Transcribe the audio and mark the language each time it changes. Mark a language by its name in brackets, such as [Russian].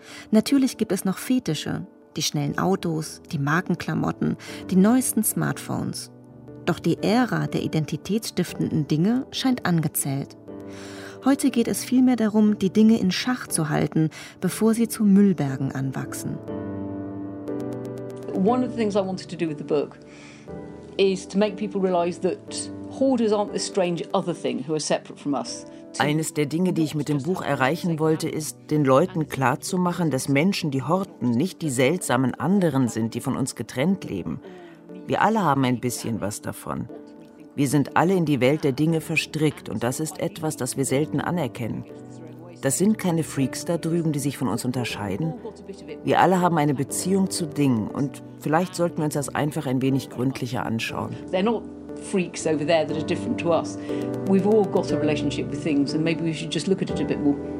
[German] Natürlich gibt es noch Fetische, die schnellen Autos, die Markenklamotten, die neuesten Smartphones. Doch die Ära der identitätsstiftenden Dinge scheint angezählt. Heute geht es vielmehr darum, die Dinge in Schach zu halten, bevor sie zu Müllbergen anwachsen. [English] One of the things I wanted to do with the book is to make people realize that hoarders aren't this strange other thing who are separate from us. [German] Eines der Dinge, die ich mit dem Buch erreichen wollte, ist, den Leuten klarzumachen, dass Menschen, die horten, nicht die seltsamen anderen sind, die von uns getrennt leben. Wir alle haben ein bisschen was davon. Wir sind alle in die Welt der Dinge verstrickt und das ist etwas, das wir selten anerkennen. Das sind keine Freaks da drüben, die sich von uns unterscheiden. Wir alle haben eine Beziehung zu Dingen und vielleicht sollten wir uns das einfach ein wenig gründlicher anschauen. [English] They're not freaks over there that are different to us. We've all got a relationship with things and maybe we should just look at it a bit more.